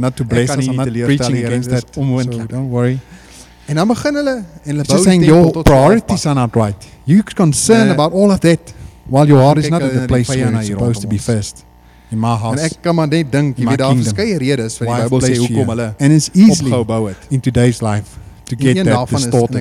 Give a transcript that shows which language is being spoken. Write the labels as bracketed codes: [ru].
[en] not to bless us, I'm not preaching against that. Don't worry. [af] En dan begin hulle en hulle bou. [en] Saying your priorities are not right. You're concerned about all of that. While your heart is not at the place where it's supposed to be first. In my house. [af] En ek kan maar net dink, jy weet daar verskeie redes vir die Bybel sê hoekom hulle [en] and it's easy in today's life to get that distorted.